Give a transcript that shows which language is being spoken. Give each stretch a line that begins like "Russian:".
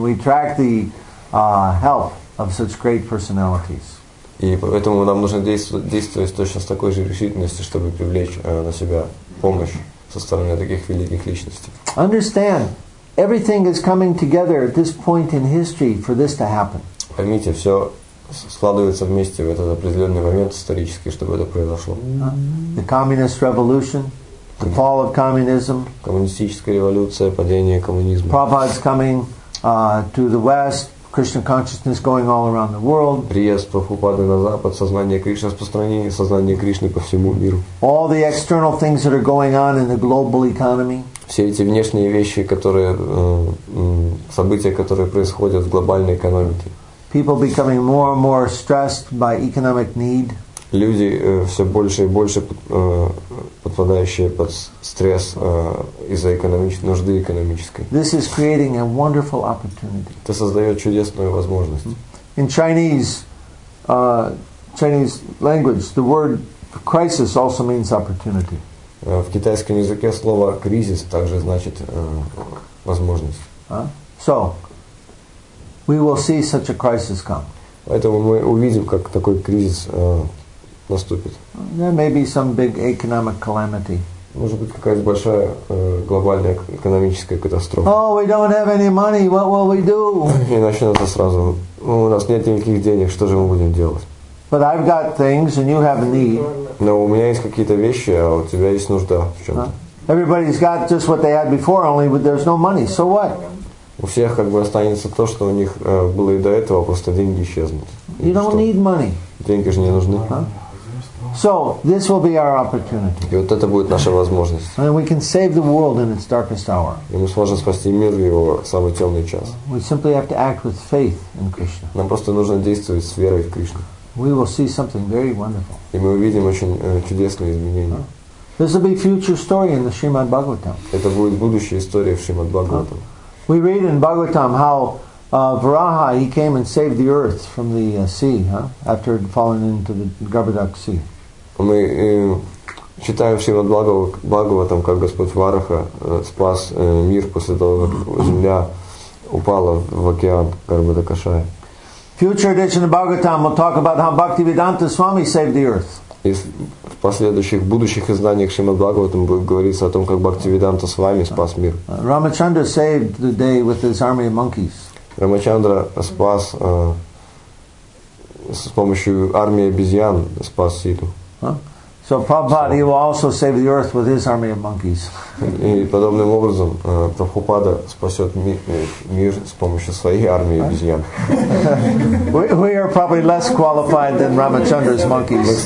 English: We track the help of such great personalities.
Russian: И поэтому нам нужно действовать точно с такой же решительностью, чтобы привлечь на себя помощь со стороны таких великих личностей.
English: Understand, everything is coming together at this point in history for this to happen.
Russian: Поймите, все складывается вместе в этот определенный момент исторический, чтобы это произошло.
English: The communist revolution, the fall of communism.
Russian: Коммунистическая революция, падение коммунизма.
English: Prabhupada's coming to the West, Krishna consciousness going all around the world.
Russian: Приезд Прабхупады на Запад, сознание Кришны распространение, сознание Кришны по всему миру.
English: All the external things that are going on in the global economy.
Russian: Все эти внешние вещи, которые события, которые происходят в глобальной экономике.
English: People becoming more and more stressed by economic need.
Russian: Люди все больше и больше подпадающие под стресс из-за нужды экономической.
English: This is creating a wonderful opportunity.
Russian: Это создает чудесную возможность.
English: In Chinese language, the word crisis also means opportunity.
Russian: В китайском языке слово кризис также значит возможность.
English: So we will see such a crisis come.
Russian: Поэтому мы увидим, как такой кризис наступит.
English: There may be some big economic calamity.
Russian: Может быть, какая-то большая глобальная экономическая катастрофа.
English: Oh, we don't have any money. What will we do?
Russian: И начнется сразу. Ну, у нас нет никаких денег. Что же мы будем делать?
English: But I've got things, and you have need.
Russian: Но у меня есть какие-то вещи, а у тебя есть нужда в чем-то.
English: Everybody's got just what they had before, only there's no money. So what?
Russian: У всех как бы останется то, что у них было и до этого, просто деньги исчезнут.
English: You don't need money.
Russian: Деньги же не нужны.
English: So this will be our opportunity.
Russian: И вот это будет наша возможность.
English: And we can save the world in its darkest hour.
Russian: И мы сможем спасти мир в его самый темный час.
English: We simply have to act with faith in Krishna.
Russian: Нам просто нужно действовать с верой в Кришну.
English: We will see something very wonderful.
Russian: И мы увидим очень чудесные изменения.
English: This will be future story in the Srimad Bhagavatam.
Russian: Это будет будущая история в Шримад Бхагаватам.
English: We read in Bhagavatam how Varaha, he came and saved the earth from the sea, after it had fallen into the Garbhodak Sea.
Russian: Мы читаем в Шримад Бхагаватам, как Господь Вараха спас мир после того, как земля упала в океан Гарбхадакашая.
English: Future edition of Bhagavatam will talk about how Bhaktivedanta Swami saved the earth.
Russian: И в последующих, будущих изданиях Шримад Бхагаватам будет говориться о том, как Бхактивиданта с вами спас мир.
English: Рамачандра saved the day with his army of monkeys.
Russian: Рамачандра спас с помощью армии обезьян спас Ситу.
English: So Prabhupada, he will also save the earth with his army of monkeys.
Russian: И подобным образом Прабхупада спасет мир с помощью своей армии обезьян.
English: We are probably less qualified than Ramachandra's monkeys.